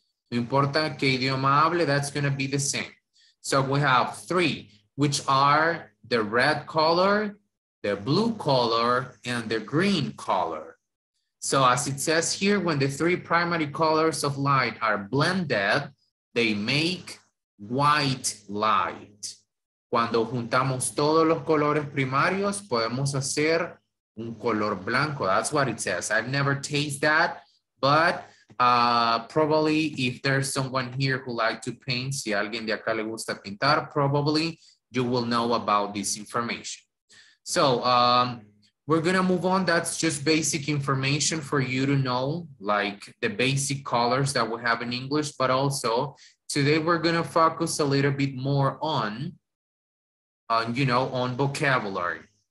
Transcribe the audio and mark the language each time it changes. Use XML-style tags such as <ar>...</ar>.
<es>No importa qué idioma hable,</es> <en>that's going to be the same. So we have 3, which are the red color, the blue color, and the green color. So as it says here, when the 3 primary colors of light are blended, they make white light.</en> <es>Cuando juntamos todos los colores primarios, podemos hacer un color blanco.</es> <en>That's what it says. I've never tasted that, but probably if there's someone here who likes to paint,</en> <es>si alguien de acá le gusta pintar,</es> <en>probably you will know about this information. So we're gonna move on. That's just basic information for you to know, like the basic colors that we have in English, but also today we're gonna focus a little bit more on vocabulary.</en>